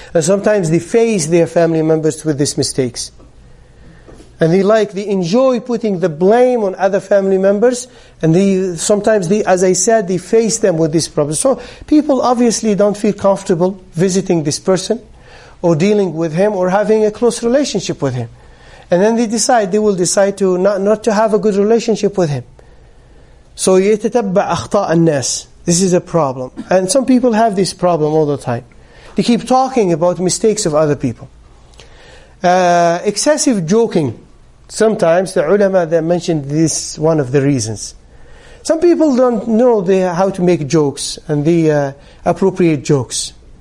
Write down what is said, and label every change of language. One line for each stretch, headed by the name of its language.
English: And sometimes they face their family members with these mistakes. And they enjoy putting the blame on other family members, and they face them with this problem. So people obviously don't feel comfortable visiting this person, or dealing with him, or having a close relationship with him. And then they will decide to not to have a good relationship with him. So
Arabic: يَتَتَبَّعْ أَخْطَاءَ النَّاسِ.
English: This is a problem. And some people have this problem all the time. They keep talking about mistakes of other people. Excessive joking. Sometimes the ulama that mentioned this, one of the reasons. Some people don't know how to make jokes and the appropriate jokes.